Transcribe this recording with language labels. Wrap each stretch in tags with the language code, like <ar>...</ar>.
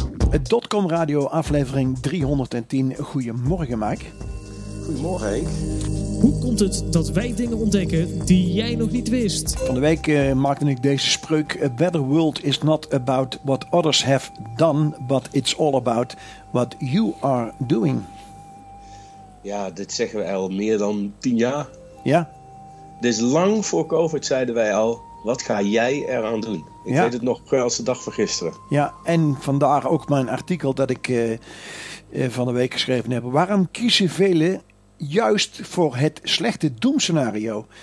<nl>Het Topcom Radio aflevering 310. Goedemorgen, Mike. Goedemorgen, Henk. Hoe komt het dat wij dingen ontdekken die jij nog niet wist? Van de week maakte ik deze spreuk.</nl> <en>A better world is not about what others have done, but it's all about what you are doing.</en> <nl>Ja, dit zeggen we al meer dan 10 jaar. Ja. Dus lang voor COVID zeiden wij al, wat ga jij eraan doen? Ik weet het nog als de dag van gisteren. Ja, en vandaar ook mijn artikel dat ik van de week geschreven heb. Waarom kiezen velen juist voor het slechte doemscenario?</nl>